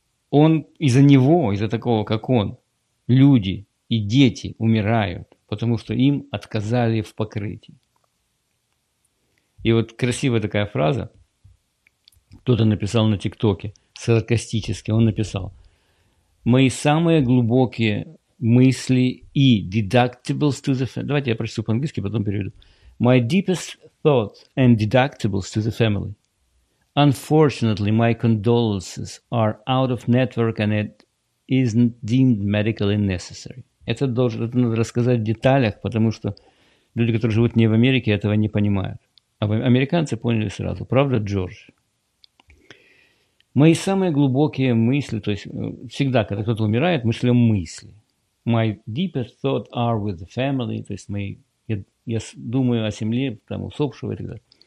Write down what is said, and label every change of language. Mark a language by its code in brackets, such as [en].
[ru] Он из-за него, из-за такого, как он, люди и дети умирают, потому что им отказали в покрытии. И вот красивая такая фраза, кто-то написал на ТикТоке, саркастически, он написал: «Мои самые глубокие мысли и [en] deductibles to the family». [ru] Давайте я прочту по-английски, потом переведу. [en] «My deepest thoughts and deductibles to the family. Unfortunately, my condolences are out of network and it isn't deemed medically necessary». [ru] Это надо рассказать в деталях, потому что люди, которые живут не в Америке, этого не понимают. А американцы поняли сразу. Правда, Джордж? «Мои самые глубокие мысли», то есть всегда, когда кто-то умирает, мы шлем мысли. [en] «My deepest thoughts are with the family», [ru] то есть я думаю о семье, там, усопшего и так далее.